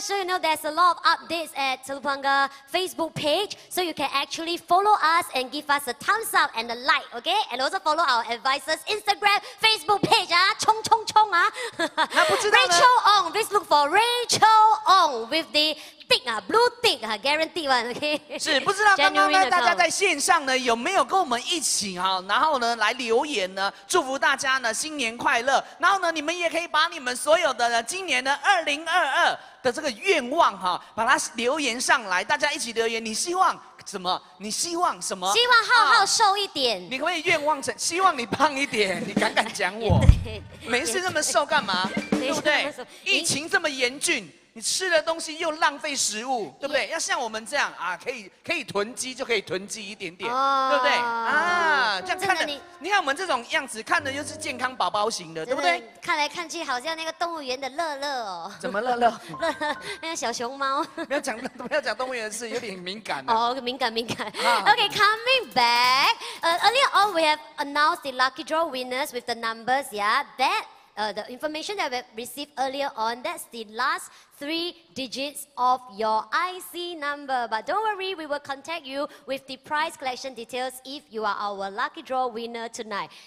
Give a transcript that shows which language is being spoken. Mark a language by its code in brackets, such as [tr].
[en] So you know there's a lot of updates at Telupanga Facebook page. So you can actually follow us and give us a thumbs up and a like, okay? And also follow our advisors Instagram, Facebook page. Rachel Ong, please look for Rachel Ong with the Blue Tick，Guarantee， [zh] 不知道刚刚呢，大家在线上呢有没有跟我们一起哈，然后呢来留言呢，祝福大家呢新年快乐。然后呢，你们也可以把你们所有的今年的2022的这个愿望哈，把它留言上来，大家一起留言，你希望。什么？你希望什么？希望浩浩瘦一点。你可不可以愿望成？希望你胖一点。你敢讲我？没事那么瘦干嘛？对不对？疫情这么严峻。你吃的东西又浪费食物，对不对？要像我们这样啊，可以囤积就可以囤积一点点，对不对？啊，这样看的，你看我们这种样子，看的又是健康宝宝型的，对不对？看来看去好像那个动物园的乐乐哦。怎么乐乐？乐乐那个小熊猫。不要讲动物园的事，有点敏感哦。敏感。 [en] Okay, coming back. Earlier on, we have announced the lucky draw winners with the numbers. Yeah, that. The information that we received earlier on, that's the last three digits of your IC number. But don't worry, we will contact you with the prize collection details if you are our lucky draw winner tonight.